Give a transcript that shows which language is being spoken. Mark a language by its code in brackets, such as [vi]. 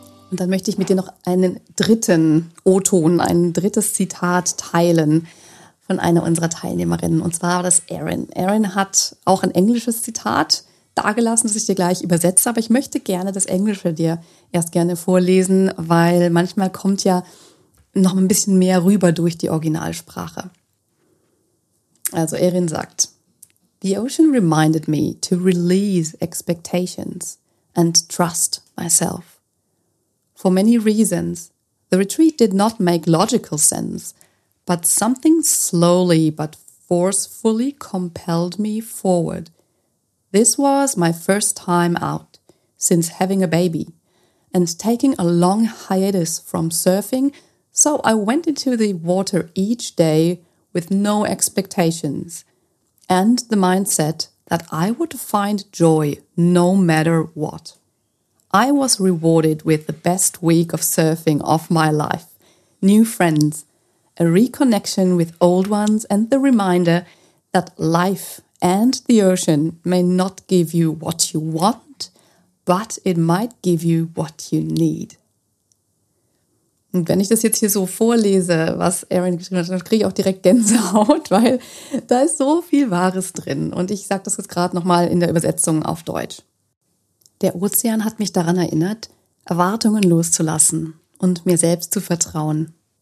[de] Und dann möchte ich mit dir noch einen dritten O-Ton, ein drittes Zitat teilen von einer unserer Teilnehmerinnen. Und zwar war das Erin. Erin hat auch ein englisches Zitat dagelassen, das ich dir gleich übersetze. Aber ich möchte gerne das Englische dir erst gerne vorlesen, weil manchmal kommt ja noch ein bisschen mehr rüber durch die Originalsprache. Also Erin sagt, [en] "The ocean reminded me to release expectations and trust myself. For many reasons, the retreat did not make logical sense, but something slowly but forcefully compelled me forward. This was my first time out since having a baby and taking a long hiatus from surfing, so I went into the water each day with no expectations and the mindset that I would find joy no matter what. I was rewarded with the best week of surfing of my life, new friends, a reconnection with old ones and the reminder that life and the ocean may not give you what you want, but it might give you what you need." [de] Und wenn ich das jetzt hier so vorlese, was Erin geschrieben hat, dann kriege ich auch direkt Gänsehaut, weil da ist so viel Wahres drin. Und ich sage das jetzt gerade nochmal in der Übersetzung auf Deutsch. Der Ozean hat mich daran erinnert, Erwartungen loszulassen und mir selbst zu vertrauen.